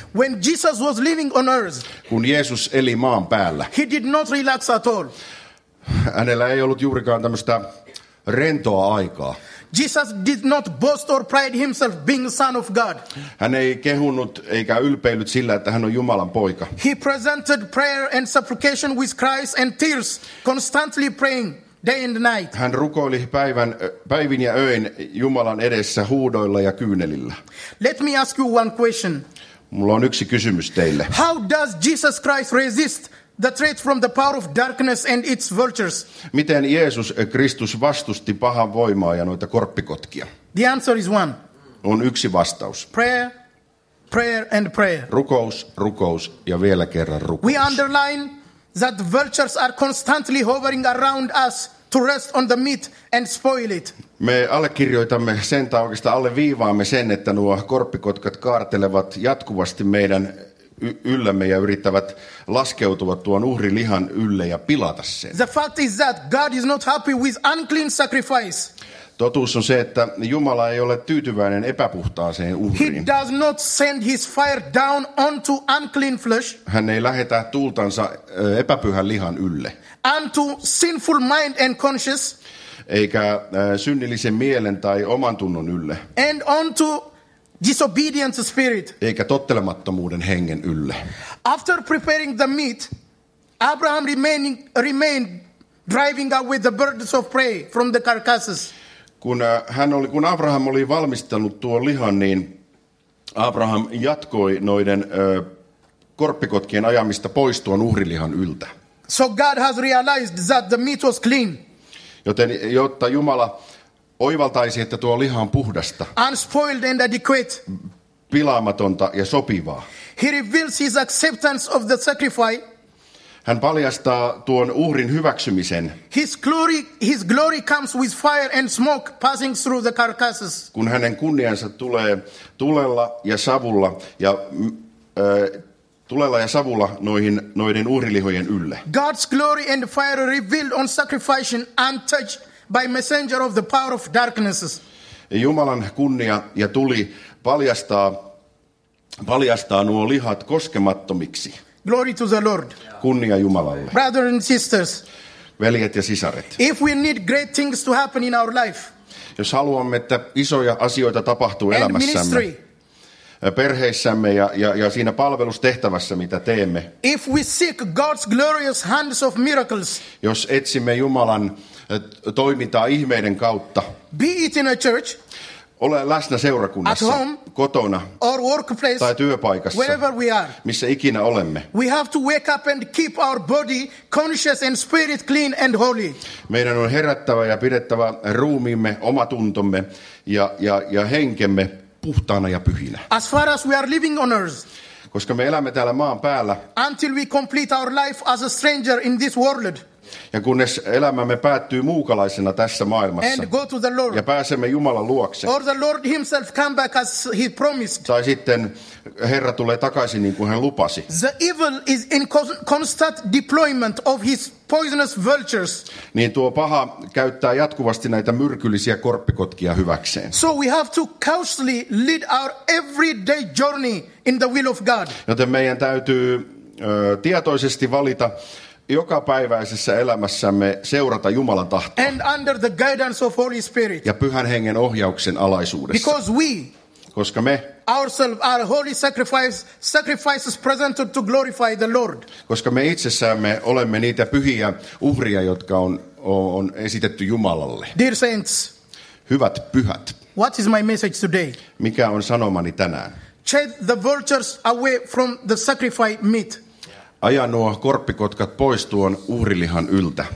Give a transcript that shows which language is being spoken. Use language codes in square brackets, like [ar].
[en] When Jesus was living on earth. [fi] Kun Jeesus eli maan päällä. [en] He did not relax at all. [fi] Hänellä ei ollut juurikaan tämmöistä rentoa aikaa. [en] Jesus did not boast or pride himself being son of God. [fi] Hän ei kehunut eikä ylpeillyt sillä, että hän on Jumalan poika. [en] He presented prayer and supplication with cries and tears, constantly praying day and night. [fi] Hän rukoili päivin ja öin Jumalan edessä huudoilla ja kyynelillä. [en] Let me ask you one question. [fi] Mulla on yksi kysymys teille. [en] How does Jesus Christ resist the threat from the power of darkness and its vultures? [fi] Miten Jeesus Kristus vastusti pahan voimaa ja noita korppikotkia? [en] The answer is one. [fi] On yksi vastaus. [en] Prayer, prayer and prayer. [fi] Rukous, rukous ja vielä kerran rukous. [en] We underline that vultures are constantly hovering around us to rest on the meat and spoil it. [fi] Me allekirjoitamme sen tai oikeastaan alleviivaamme sen, että nuo korppikotkat kaartelevat jatkuvasti meidän yllämme ja yrittävät laskeutua tuon uhrilihan ylle ja pilata sen. [en] The fact is that God is not happy with unclean sacrifice. [fi] Totuus on se, että Jumala ei ole tyytyväinen epäpuhtaaseen uhriin. [en] He does not send his fire down onto unclean flesh. [fi] Hän ei lähetä tuultansa epäpyhän lihan ylle. [en] Unto sinful mind and conscience. [fi] Eikä synnillisen mielen tai oman tunnon ylle. [en] And onto disobedient spirit. [fi] Eikä tottelemattomuuden hengen ylle. [en] After preparing the meat, Abraham remained driving away the birds of prey from the carcasses. [fi] Kun Abraham oli valmistanut tuon lihan, niin Abraham jatkoi noiden korppikotkien ajamista pois tuon uhrilihan yltä. [en] So God has realized that the meat was clean. [fi] Joten jotta Jumala oivaltaisi, että tuo liha on puhdasta, [en] unspoiled and adequate, [fi] pilaamatonta ja sopivaa. [en] He reveals his acceptance of the sacrifice. [fi] Hän paljastaa tuon uhrin hyväksymisen. [en] His glory comes with fire and smoke passing through the carcasses. [fi] Kun hänen kunniansa tulee tulella ja savulla noiden uhrilihojen ylle. [en] God's glory and fire revealed on sacrifice untouched by messenger of the power of darkness. [fi] Jumalan kunnia ja tuli paljastaa nuo lihat koskemattomiksi. [en] Glory to the Lord. [fi] Kunnia Jumalalle. [en] Brothers and sisters. [fi] Veljet ja sisaret. [en] If we need great things to happen in our life. [fi] Jos haluamme, että isoja asioita tapahtuu elämässämme. [en] Ministry. [fi] Perheissämme ja siinä palvelustehtävässä, mitä teemme. [en] If we seek God's glorious hands of miracles. [fi] Jos etsimme Jumalan toimintaa ihmeiden kautta. [en] Be it in a church. [fi] Ole läsnä seurakunnassa, [en] at home, [fi] kotona, [en] or workplace, [fi] tai työpaikassa, [en] wherever we are, [fi] missä ikinä olemme. [en] We have to wake up and keep our body, conscious and spirit clean and holy. [fi] Meidän on herättävä ja pidettävä ruumiimme, omatuntomme ja henkemme puhtaana ja pyhinä. [en] As far as we are living on earth. [fi] Koska me elämme täällä maan päällä. [en] Until we complete our life as a stranger in this world. [fi] Ja kunnes elämämme päättyy muukalaisena tässä maailmassa. [en] And go to the Lord. [fi] Ja pääsemme Jumalan luokse. [en] Or the Lord himself come back as he promised. [fi] Tai sitten Herra tulee takaisin niin kuin hän lupasi. [en] The evil is in constant deployment of his poisonous vultures. [fi] Niin tuo paha käyttää jatkuvasti näitä myrkyllisiä korppikotkia hyväkseen. [en] So we have to cautiously lead our everyday journey in the will of God. [fi] Joten meidän täytyy tietoisesti valita jokapäiväisessä elämässämme seurata Jumalan tahtoa. [en] And under the guidance of Holy Spirit. [fi] Ja Pyhän Hengen ohjauksen alaisuudessa. [en] Because we, [fi] koska me, [en] ourselves are holy sacrifices presented to glorify the Lord. [fi] Koska me itsessämme olemme niitä pyhiä uhria, jotka on esitetty Jumalalle. [en] Dear saints, [fi] hyvät pyhät, [en] what is my message today? [fi] Mikä on sanomani tänään? [en] Chase the vultures away from the sacrifice meat. [fi] Aja nuo korppikotkat pois tuon uhrilihan yltä.